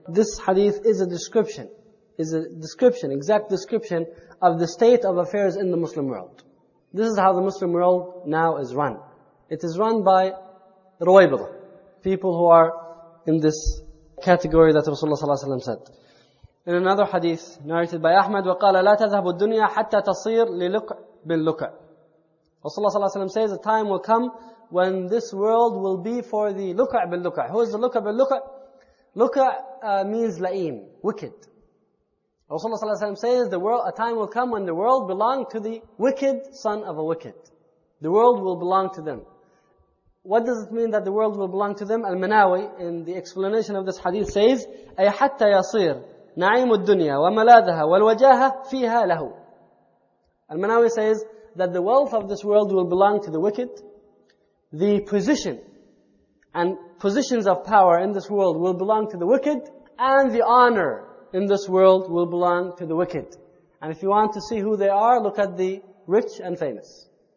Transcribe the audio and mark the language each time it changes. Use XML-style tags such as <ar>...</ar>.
<en>This hadith is a description. Is a description, exact description of the state of affairs in the Muslim world. This is how the Muslim world now is run. It is run by ruwaybidah, people who are in this category that Rasulullah sallallahu alaihi wasallam said. In another hadith narrated by Ahmad,</en> <ar>وَقَالَ لَا تَذَهَبُ الدُّنْيَا حَتَّى تَصِيرْ لِلُقْعٍ بِاللُّقْعِ.</ar> <en>Rasulullah sallallahu alaihi wasallam says, a time will come when this world will be for the luqa' bil-luqa'. Who is the luqa' bil-luqa'? Luqa' means la'im, wicked. Rasulullah ﷺ says, a time will come when the world belong to the wicked son of a wicked. The world will belong to them. What does it mean that the world will belong to them? Al-Manawi, in the explanation of this hadith, says,</en> <ar>أي حتى يصير نعيم الدنيا وملاذها والوجاهة فيها له.</ar> <en>Al-Manawi says that the wealth of this world will belong to the wicked. The position and positions of power in this world will belong to the wicked, and the honor in this world will belong to the wicked. And if you want to see who they are, look at the rich and famous.</en>